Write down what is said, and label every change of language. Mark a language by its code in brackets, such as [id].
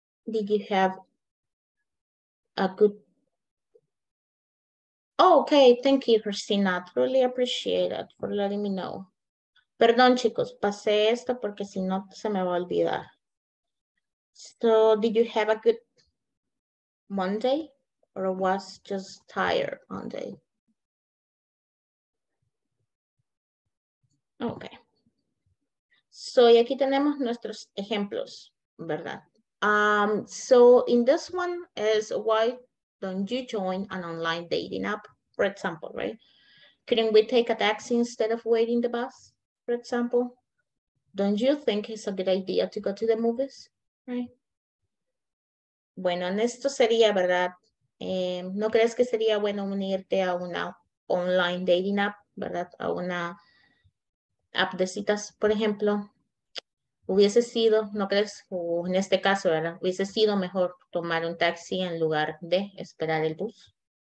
[en] Did you have a good... Oh, okay, thank you, Christina. I really appreciate it for letting me know. [es] Perdón, chicos, pasé esto porque si no se me va a olvidar. [en] So, did you have a good Monday or was just tired Monday? [es] Okay. So, y aquí tenemos nuestros ejemplos, ¿verdad? [en] So in this one is why don't you join an online dating app, for example, right? Couldn't we take a taxi instead of waiting the bus, for example? Don't you think it's a good idea to go to the movies, right? [es] Bueno, en esto sería, ¿verdad? ¿No crees que sería bueno unirte a una online dating app, ¿verdad? A una app de citas, por ejemplo. Hubiese sido, ¿no crees? O en este caso, ¿verdad? Hubiese sido mejor tomar un taxi en lugar de esperar el bus.